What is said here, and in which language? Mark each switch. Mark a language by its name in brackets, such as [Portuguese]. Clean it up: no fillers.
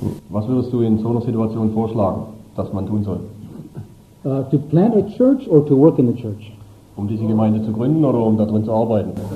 [German] Was würdest du in so einer Situation vorschlagen, dass man tun soll? [English] To plant a church or to work in the church? [German] Um diese Gemeinde zu gründen oder um darin zu arbeiten?